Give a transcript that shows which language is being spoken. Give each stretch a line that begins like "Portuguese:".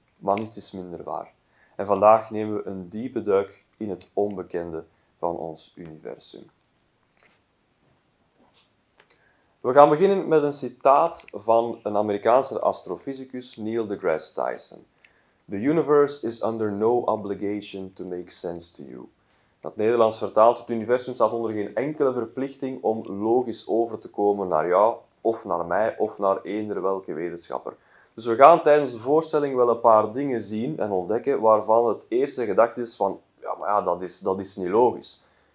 Dutch: Maar niets is minder waar. En vandaag nemen we een diepe duik in het onbekende van ons universum. We gaan beginnen met een citaat van een Amerikaanse astrofysicus, Neil deGrasse Tyson.
English: The universe is under no obligation to make sense to you.
Dutch: Dat Nederlands vertaalt, het universum staat onder geen enkele verplichting om logisch over te komen naar jou, of naar mij, of naar eender welke wetenschapper. Dus we gaan tijdens de voorstelling wel een paar dingen zien en ontdekken waarvan het eerste gedachte is van, ja, maar ja, dat is niet logisch.